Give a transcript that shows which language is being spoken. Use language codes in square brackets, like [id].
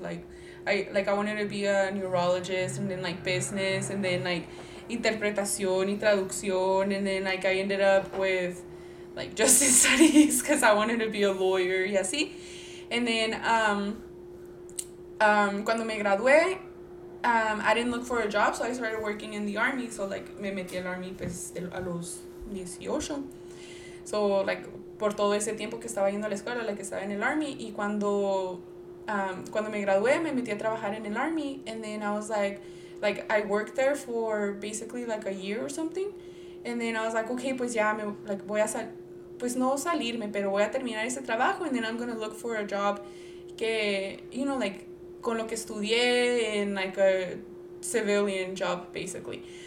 [en] Like, I wanted to be a neurologist and then, like, business and then, like, [es] interpretación y traducción, [en] and then, like, I ended up with, like, justice studies because I wanted to be a lawyer [es] y así. [en] And then, [es] cuando me gradué, [en] I didn't look for a job, so I started working in the army. [es] So, like, me metí al army, pues, a los 18. So, like, por todo ese tiempo que estaba yendo a la escuela, like, estaba en el army. Y cuando, cuando me gradué, me metí a trabajar en el army. [en] And then I was like, I worked there for basically like a year or something. And then I was like, okay, [es] pues ya, me, like, voy a pues no salirme, pero voy a terminar ese trabajo. [en] And then I'm gonna look for a job que, you know, like, [es] con lo que estudié, [en] in like a civilian job, basically.